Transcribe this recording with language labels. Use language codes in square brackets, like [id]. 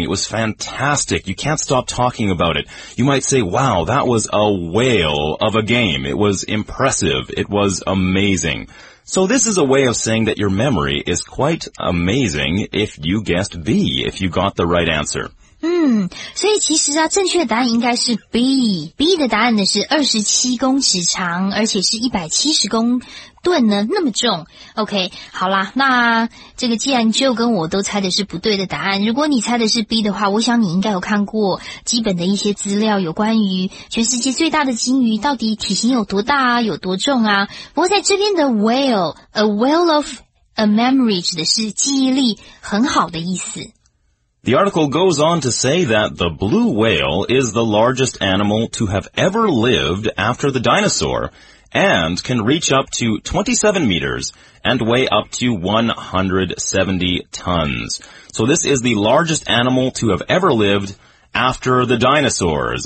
[en] It was fantastic. You can't stop talking about it. You might say, wow, that was a whale of a game. It was impressive. It was amazing. So this is a way of saying that your memory is quite amazing if you guessed B, if you got the right answer. [zh] 所以其实啊，正确答案应该是 B。B 的答案呢是27公尺长，而且是170公吨呢，那么重。 OK, 好啦，那这个既然 Joe 跟我都猜的是不对的答案，如果你猜的是 B 的话，我想你应该有看过基本的一些资料，有关于全世界最大的鲸鱼到底体型有多大啊，有多重啊。不过在这边的 whale, [en] a whale of a memory [zh] 指的是记忆力很好的意思。 [en] The article goes on to say that the blue whale is the largest animal to have ever lived after the dinosaur and can reach up to 27 meters and weigh up to 170 tons. So this is the largest animal to have ever lived after the dinosaurs.